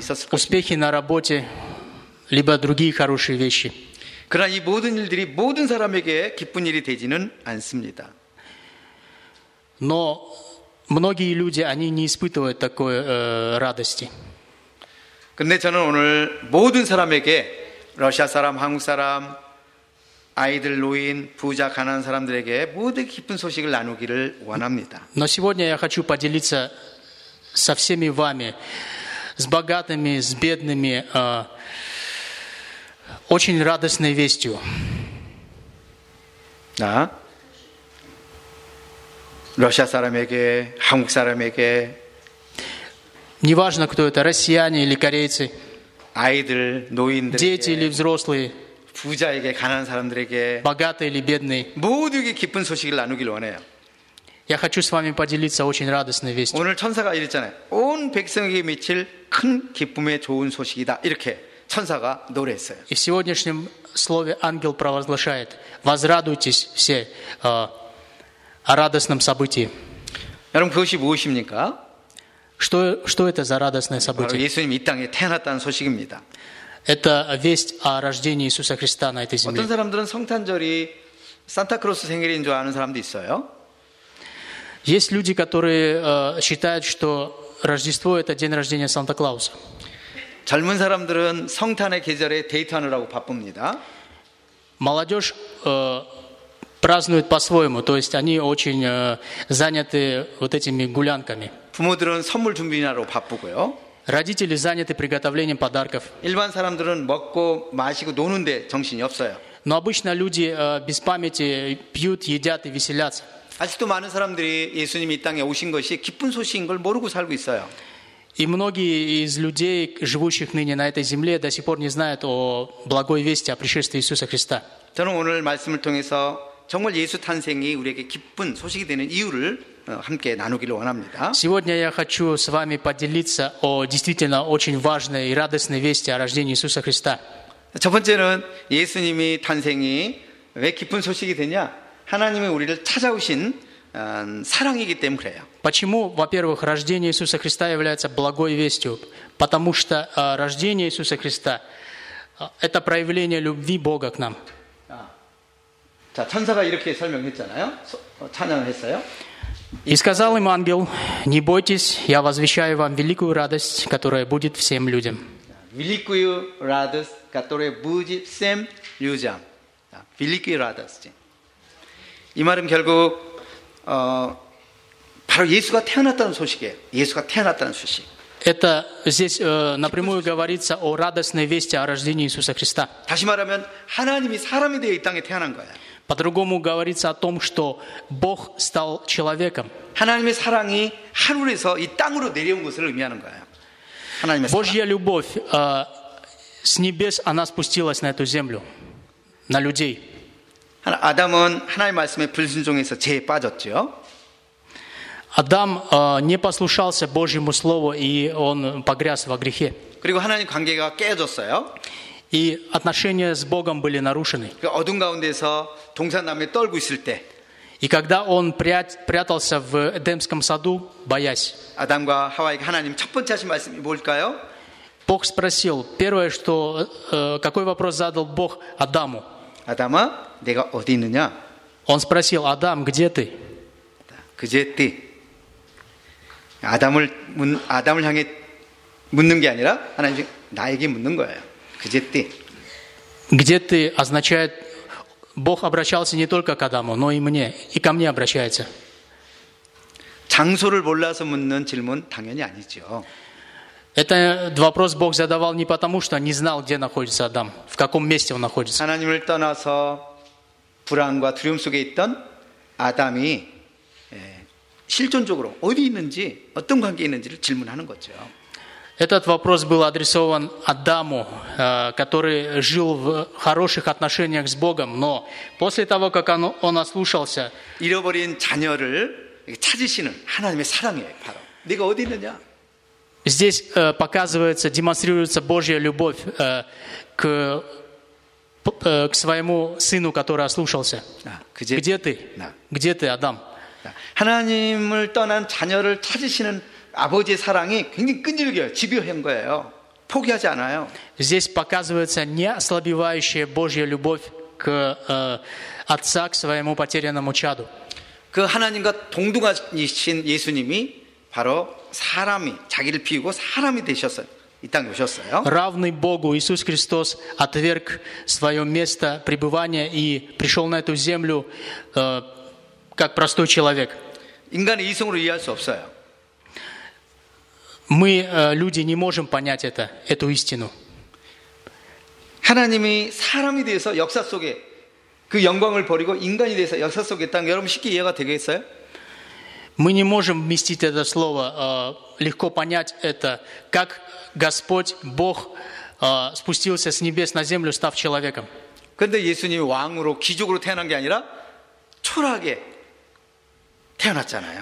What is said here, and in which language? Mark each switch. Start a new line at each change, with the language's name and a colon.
Russian: Успехи на работе, либо другие хорошие вещи?
Korean: 그러나 이 모든 일들이 모든 사람에게 기쁜 일이 되지는 않습니다.
Russian: Но многие люди они не испытывают такой радости.
Korean: 근데 저는 오늘 모든 사람에게 러시아 사람, 한국 사람, 아이들, 노인, 부자, 가난한 사람들에게 모두 기쁜 소식을 나누기를 원합니다.
Russian: Но сегодня я хочу поделиться со всеми вами, с богатыми, с бедными, очень радостной вестью. Да.
Korean: 러시아 사람에게, 한국 사람에게.
Russian: Неважно, кто это, россияне или корейцы.
Korean: 아이들, 노인들.
Russian: Дети или взрослые.
Korean: 부자에게, 가난한 사람들에게.
Russian: Богатые или бедные.
Korean: 모두에게 기쁜 소식을 나누길 원해요.
Russian: Я хочу с вами поделиться очень радостной вестью.
Korean: 오늘 천사가 이랬잖아요. 온 백성에게 미칠 큰 기쁨의 좋은 소식이다. 이렇게. 천사가 노래했어요.
Russian: И в сегодняшнем слове ангел провозглашает: «Возрадуйтесь все о радостном событии».
Korean: 여러분, 그것이 무엇입니까?
Russian: Что это за радостное событие?
Korean: 바로 예수님이 이 땅에 태어났다는 소식입니다.
Russian: Это весть о рождении Иисуса Христа на этой земле.
Korean: 어떤 사람들은 성탄절이 산타크로스 생일인 줄 아는 사람도 있어요.
Russian: Есть люди, которые считают, что Рождество это день рождения Санта Клауса.
Korean: 젊은 사람들은 성탄의 계절에 데이트하느라고 바쁩니다.
Russian: Молодежь празднует по-своему, то есть они очень заняты вот этими гулянками.
Korean: 부모들은 선물 준비하느라고 바쁘고요.
Russian: Родители заняты приготовлением подарков.
Korean: 일반 사람들은 먹고 마시고 노는데 정신이 없어요.
Russian: Но обычно люди без памяти пьют, едят и веселятся.
Korean: 아직도 많은 사람들이 예수님이 이 땅에 오신 것이 기쁜 소식인 걸 모르고 살고 있어요.
Russian: И многие из людей, живущих ныне на этой земле, до сих пор не знают о благой вести, о пришествии Иисуса Христа.
Korean: 저는 오늘 말씀을 통해서 정말 예수 탄생이 우리에게 기쁜 소식이 되는 이유를 함께 나누기를 원합니다.
Russian: Сегодня я хочу с вами поделиться о действительно очень важной и радостной вести о рождении Иисуса Христа.
Korean: 첫 번째는 예수님이 탄생이 왜 기쁜 소식이 되냐? 하나님이 우리를 찾아오신 사랑이기 때문에 그래요.
Russian: Почему, во-первых, рождение Иисуса Христа является благой вестью? Потому что рождение Иисуса Христа – это проявление любви Бога к нам.
Korean: 자, 천사가 이렇게 설명했잖아요. 찬양을 했어요.
Russian: И сказал им ангел: «Не бойтесь, я возвещаю вам великую радость, которая будет всем людям». Великую радость, которая будет всем людям. Великую радость.
Korean: 이 말은 결국 바로 예수가 태어났다는 소식이에요. 예수가 태어났다는 소식.
Russian: Это здесь напрямую говорится о радостной вести о рождении Иисуса Христа.
Korean: 다시 말하면 하나님이 사람이 되어 이 땅에 태어난 거야.
Russian: По-другому говорится о том, что Бог стал человеком.
Korean: 하나님의 사랑이 하늘에서 이 땅으로 내려온 것을 의미하는 거야. 하나님의 사랑.
Russian: Божья любовь с небес она спустилась на эту землю, на людей.
Korean: 아담은 하나님의 말씀에 불순종해서 죄에 빠졌죠.
Russian: Адам не послушался Божьему Слову, и он погряз во грехе.
Korean: 그리고 하나님 관계가 깨졌어요.
Russian: И отношения с Богом были нарушены.
Korean: 어둠 가운데서 동산나무에 떨고 있을 때.
Russian: И когда он прятался в Эдемском саду, боясь.
Korean: 아담과 하와에게 하나님 첫 번째 하신 말씀이 뭘까요?
Russian: Бог спросил, первое, что, какой вопрос задал Бог Адаму?
Korean: 아담아, 내가 어디 있느냐?
Russian: Он спросил, Адам, где ты? 그제 띠.
Korean: 아담을 향해 묻는 게 아니라 하나님 나에게 묻는 거예요. 그제 띠.
Russian: Где ты означает Бог обращался не только к Адаму, но и мне, и ко мне обращается.
Korean: 장소를 몰라서 묻는 질문 당연히 아니죠.
Russian: Это вопрос Бог задавал не потому, что не знал, где находится Адам, в каком месте он находится.
Korean: 하나님을 떠나서 불안과 두려움 속에 있던 아담이 실존적으로 어디 있는지 어떤 관계에 있는지를 질문하는 거죠.
Russian: Этот вопрос был адресован Адаму, который жил в хороших отношениях с Богом, но после того, как он ослушался,
Korean: 잃어버린 자녀를 찾으시는 하나님의 사랑이에요, 바로. 네가 어디 있느냐?
Russian: Здесь показывается, демонстрируется Божья любовь к своему сыну, который ослушался. 아, где ты? 나. Где ты, Адам?
Korean: 하나님을 떠난 자녀를 찾으시는 아버지의 사랑이 굉장히 끈질겨요. 집요한 거예요. 포기하지 않아요.
Russian: Здесь показывается неослабевающая Божья любовь к отца к своему потерянному чаду.
Korean: 그 하나님과 동등하신 예수님이 바로 사람이 자기를 비우고 사람이 되셨어요. 이 땅에 오셨어요.
Russian: Равный Богу Иисус Христос отверг своё место пребывания и пришёл на эту землю как простой человек.
Korean: 인간의 이성으로 이해할 수 없어요.
Russian: Мы, люди, не можем понять это, эту истину.
Korean: 하나님이 사람이 되어서 역사 속에 그 영광을 버리고 인간이 되어서 역사 속에 있다는 게 여러분 쉽게 이해가 되겠어요?
Russian: Мы не можем вместить это слово, легко понять это, как Господь, Бог, спустился с небес на землю, став человеком.
Korean: 그런데 예수님이 왕으로, 귀족으로 태어난 게 아니라 초라하게 태어났잖아요.